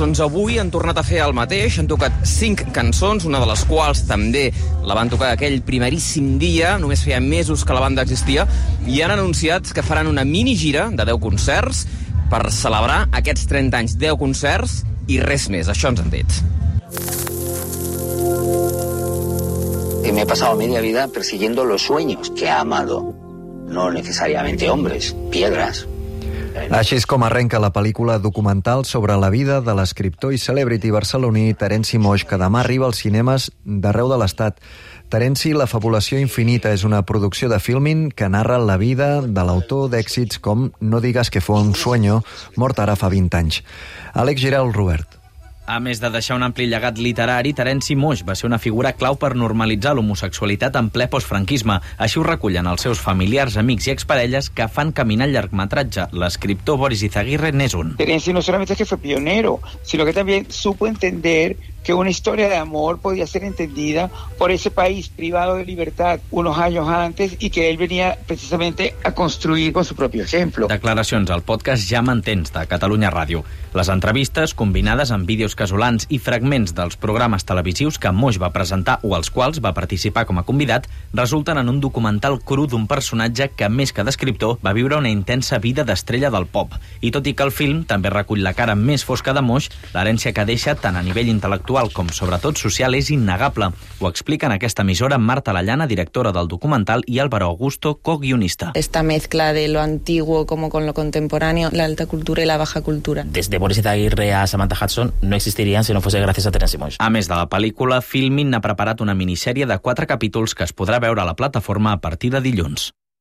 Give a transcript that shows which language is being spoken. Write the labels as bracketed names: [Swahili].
[Catalan] Doncs avui han tornat a fer el mateix, han tocat 5 cançons, una de les quals també la van tocar aquell primeríssim dia, només feia mesos que la banda existia, i han anunciat que faran una minigira de 10 concerts per celebrar aquests 30 anys. 10 concerts i res més, això ens han dit. [Spanish] Y me he pasado media vida persiguiendo los sueños que he amado, no necesariamente hombres, piedras. [Catalan] Així és com arrenca la pel·lícula documental sobre la vida de l'escriptor i celebrity barceloní Terenci Moix, que demà arriba als cinemes d'arreu de l'Estat. Terenci, La fabulació infinita, és una producció de Filmin que narra la vida de l'autor d'èxits com No digas que fue un sueño, mort ara fa 20 anys. Àlex Giral, Robert. A més de deixar un ampli llegat literari, Terenci Moix va ser una figura clau per normalitzar l'homosexualitat en ple postfranquisme. Així ho recullen els seus familiars, amics i exparelles que fan caminar el llargmetratge. L'escriptor Boris Izaguirre n'és un. [Spanish] Terenci no solamente que fue pionero, sino que también supo entender que una historia de amor podía ser entendida por ese país privado de libertad unos años antes y que él venía precisamente a construir con su propio ejemplo. [Catalan] Declaracions al podcast Ja m'entens de Catalunya Ràdio. Les entrevistes, combinades amb vídeos casolans i fragments dels programes televisius que Moix va presentar o als quals va participar com a convidat, resulten en un documental cru d'un personatge que, més que d'escriptor, va viure una intensa vida d'estrella del pop. I tot i que el film també recull la cara més fosca de Moix, l'herència que deixa, tant a nivell intel·lectual com sobretot social, és innegable. Ho explica en aquesta emissora Marta Lallana, directora del documental, i Álvaro Augusto, co-guionista. [Spanish] Esta mezcla de lo antiguo como con lo contemporáneo, la alta cultura y la baja cultura. [Catalan] Des de Boris Izaguirre a Samantha Hudson no existirien si no fos gràcies a Terenci Moix. A més de la pel·lícula, Filmin ha preparat una minissèrie de 4 capítols que es podrà veure a la plataforma a partir de dilluns.